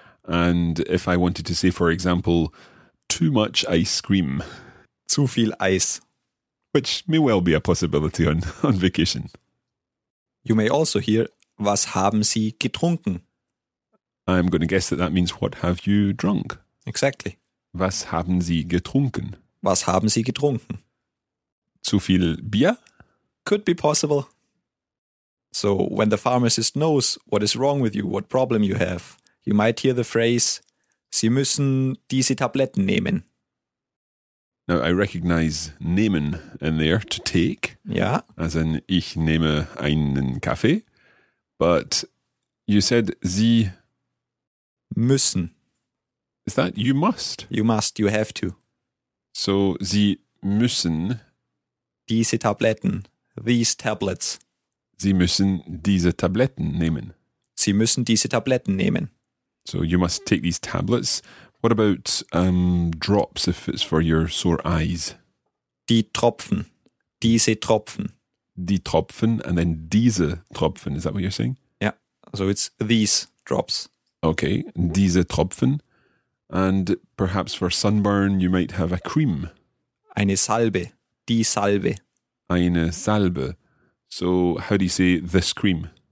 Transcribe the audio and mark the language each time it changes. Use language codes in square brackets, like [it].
[en] And if I wanted to say, for example, too much ice cream. [de] Zu viel Eis. [en] Which may well be a possibility on vacation. You may also hear, [de] was haben Sie getrunken? [en] I'm going to guess that that means, what have you drunk? Exactly. [de] Was haben Sie getrunken? Was haben Sie getrunken? Zu viel Bier? [en] Could be possible. So when the pharmacist knows what is wrong with you, what problem you have, you might hear the phrase, [de] Sie müssen diese Tabletten nehmen. [en] Now, I recognize nehmen in there, to take, as in [de] ich nehme einen Kaffee, [en] but you said Sie [de] müssen. [en] Is that you must? You must, you have to. [de] So Sie müssen diese Tabletten, [en] these tablets. [de] Sie müssen diese Tabletten nehmen. Sie müssen diese Tabletten nehmen. [en] So you must take these tablets. What about drops, if it's for your sore eyes? [de] Die Tropfen. Diese Tropfen. Die Tropfen [en] and then [de] diese Tropfen. [en] Is that what you're saying? Yeah. So it's these drops. [de] Okay. Diese Tropfen. [en] And perhaps for sunburn, you might have a cream. [de] Eine Salbe. Die Salbe. Eine Salbe. [en] So how do you say this cream?